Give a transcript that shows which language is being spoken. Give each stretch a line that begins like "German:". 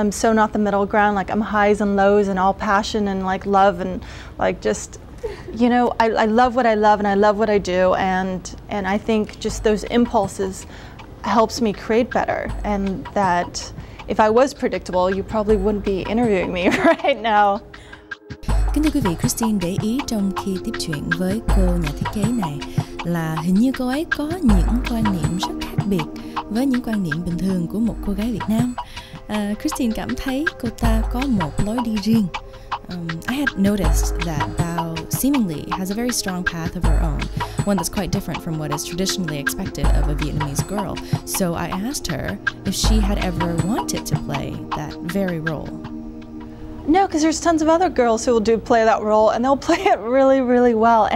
English: I'm so not the middle ground. Like, I'm highs and lows and all passion and like love and like just, you know, I love what I love and I love what I do. And I think just those impulses helps me create better. And that if I was predictable, you probably wouldn't be interviewing me right now.
Vietnamese: Kính thưa quý vị, Kristine để ý trong khi tiếp chuyện với cô nhà thiết kế này là hình như cô ấy có những quan niệm rất khác biệt với những quan niệm bình thường của một cô gái Việt Nam. Kristine cảm thấy cô ta có một lối đi riêng.
English: I had noticed that Bao seemingly has a very strong path of her own, one that's quite different from what is traditionally expected of a Vietnamese girl. So I asked her if she had ever wanted to play that very role. No, because there's tons of other girls who will play that role, and they'll play it really, really well.